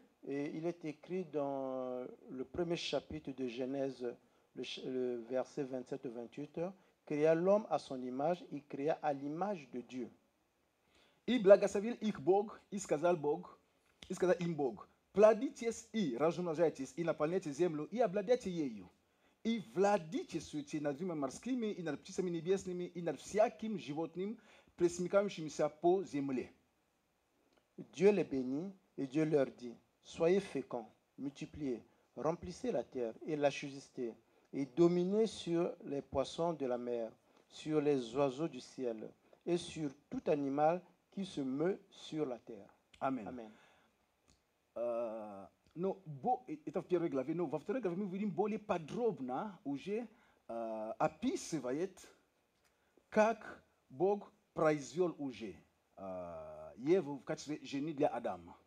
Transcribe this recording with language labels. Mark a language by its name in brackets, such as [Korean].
[French] Et il est écrit dans le premier chapitre de Genèse, le verset 27-28, créa l'homme à son image, il créa à l'image de Dieu. [Russian] И благословил их Бог, и сказал Бог, и сказал им Бог, плодитесь и размножайтесь, и наполняйте землю, и обладайте ею. И владите суете над рыбами морскими, и над птицами небесными, и над всяким животным, пресмыкающимися по земле. [French] Dieu les bénit, et Dieu leur dit, soyez féconds, multipliez, remplissez la terre et la subsistez, et dominez sur les poissons de la mer, sur les oiseaux du ciel, et sur tout animal qui se meut sur la terre. Amen. Amen. [Russian] Но это в первой главе, но во второй главе мы видим более подробно уже описывает, как Бог произвел уже Еву в качестве жены для Адама.